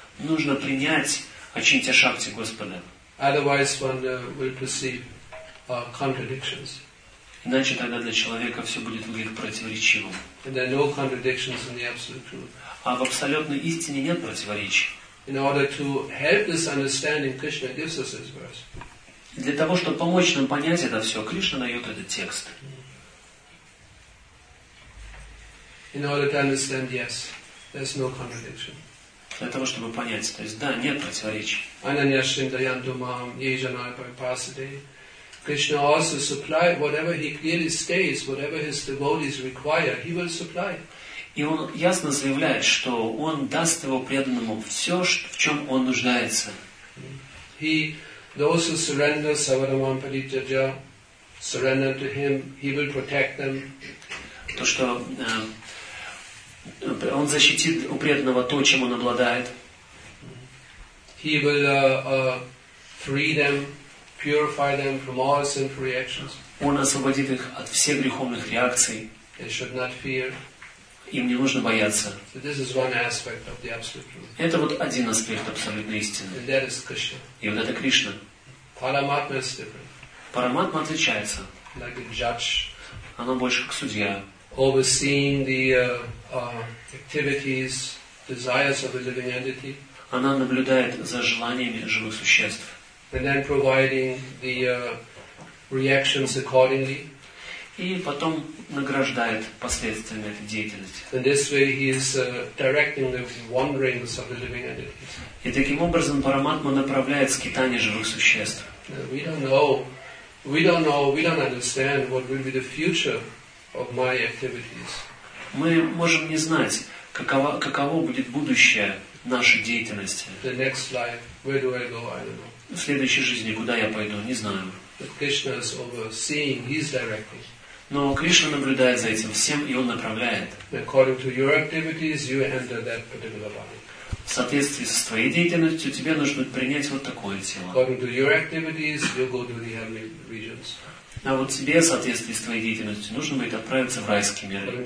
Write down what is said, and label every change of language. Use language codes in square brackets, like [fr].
[ru] Нужно принять Ачинтья Шакти Господа. [en] Otherwise one will perceive contradictions. [ru] Иначе тогда для человека все будет выглядеть противоречивым. [en] And there are no contradictions in the absolute truth. [ru] А в абсолютной истине нет противоречий. [en] In order to help this understanding, Krishna gives us this verse. [ru] Для того, чтобы помочь нам понять это все, Кришна дает этот текст. [en] In order to understand, yes, there's no contradiction. [ru] Для того, чтобы понять. То есть, да, нет противоречий. [sa] Ananya Shrindayan Dumam, Yejanai Paripasade. [en] Krishna also supplied whatever He clearly states, whatever His devotees require, He will supply. [ru] И Он ясно заявляет, что Он даст Его преданному все, в чем Он нуждается. [en] He, those who surrender [sa] Savaramam Paritaja, [en] surrender to Him, He will protect them. [ru] То, что... Он защитит у преданного то, чем он обладает. [en] He will free them, purify them from all sinful reactions. [ru] Он освободит их от всех греховных реакций. [en] They should not fear. [ru] Им не нужно бояться. [en] So this is one aspect of the absolute truth. [ru] Это вот один аспект абсолютной истины. [en] And that is Krishna. [ru] И вот это Кришна. [en] Параматма is different. [ru] Параматма отличается. [en] Like a judge. [ru] Оно больше как судья. [en] Overseeing the activities, desires of the living entity. [ru] Она наблюдает за желаниями живых существ. [en] And then providing the reactions accordingly. [ru] И потом награждает последствиями этой деятельности. [en] In this way, he is directing the wanderings of the living entity. [ru] И таким образом Параматма направляет скитание живых существ. [en] We don't know. We don't know. We don't understand what will be the future. Of my activities. [ru] Мы можем не знать, каково будет будущее нашей деятельности. [en] The next life, where do I go? I don't know. [ru] В следующей жизни, куда я пойду, не знаю. [en] But Krishna is overseeing, he's directing. [ru] Но Кришна наблюдает за этим всем, и Он направляет. [en] According to your activities, you enter that particular body. [ru] В соответствии со своей деятельностью, тебе нужно принять вот такое тело. [en] According to your activities, you go to the heavenly regions. [ru] А вот тебе, в соответствии с твоей деятельностью, нужно будет отправиться в райский мир.